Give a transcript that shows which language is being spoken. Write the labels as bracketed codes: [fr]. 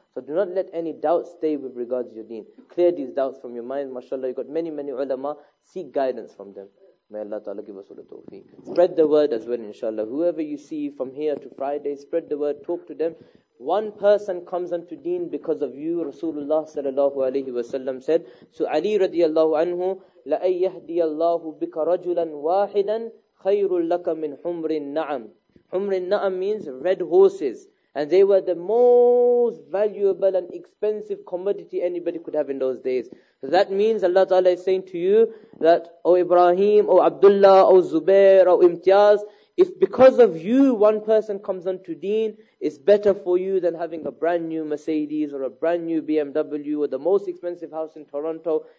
[en] So do not let any doubts stay with regards to your deen. Clear these doubts from your mind. MashaAllah, you've got many, many ulama. Seek guidance from them. May Allah Ta'ala give us all the tawfiq. Spread the word as well, inshallah. Whoever you see from here to Friday, spread the word, talk to them. One person comes unto deen because of you. Rasulullah sallallahu alayhi wa sallam said, so Ali radiallahu anhu, [ar] لَأَيْ يَهْدِيَ اللَّهُ بِكَ رَجُلًا وَاحِدًا خَيْرٌ لَكَ مِنْ حُمْرِ النَّعَمِ. [en] حُمْرِ النَّعَمِ means red horses. And they were the most valuable and expensive commodity anybody could have in those days. So that means Allah Ta'ala is saying to you that, O Ibrahim, O Abdullah, O Zubair, O Imtiaz, if because of you one person comes unto deen, it's better for you than having a brand new Mercedes or a brand new BMW or the most expensive house in Toronto.